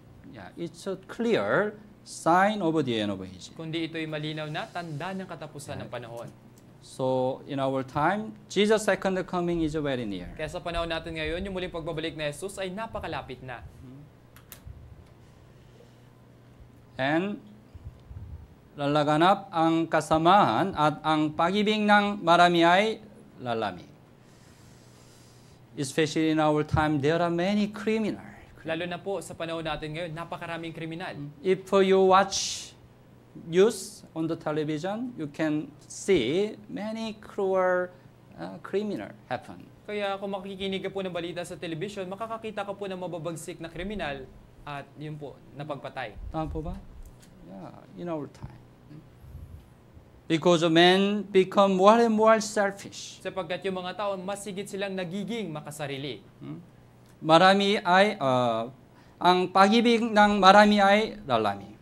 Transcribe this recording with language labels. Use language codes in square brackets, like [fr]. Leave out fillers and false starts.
[en] Yeah, it's a clear sign of the end of age. [tl] Kundi ito'y malinaw na tanda ng katapusan ng panahon. [en] So, in our time, Jesus' second coming is very near. [tl] Kaya sa panahon natin ngayon, yung muling pagbabalik na Jesus ay napakalapit na. And lalaganap ang kasamaan at ang pag-ibig ng marami ay lalami. [en] Especially in our time, there are many criminals. [tl] Lalo na po sa panahon natin ngayon, napakaraming kriminal. [en] If you watch news on the television, you can see many cruel criminals happen. [tl] Kaya kung makikinig ka po ng balita sa television, makakakita ka po ng mababagsik na kriminal at yun po, napagpatay. Tama po ba? [en] Yeah, in our time. Because of men become more and more selfish. [tl] Sapagkat yung mga tao, mas higit silang nagiging makasarili. Marami ay, ang pag-ibig ng marami ay lalami.